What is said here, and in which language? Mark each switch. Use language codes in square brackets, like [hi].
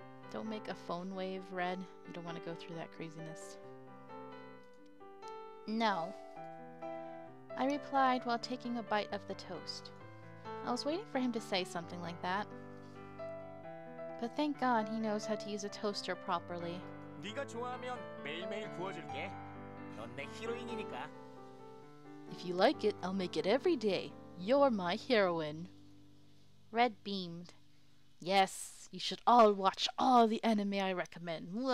[en] Don't make a phone wave, Red. You don't want to go through that craziness. No. I replied while taking a bite of the toast. I was waiting for him to say something like that. But thank God he knows how to use a toaster properly. [ko] 네가 좋아하면 매일매일 구워줄게. 넌 내 히로인이니까. [en] If you like it, I'll make it every day. You're my heroine. Red beamed. Yes, you should all watch all the anime I recommend.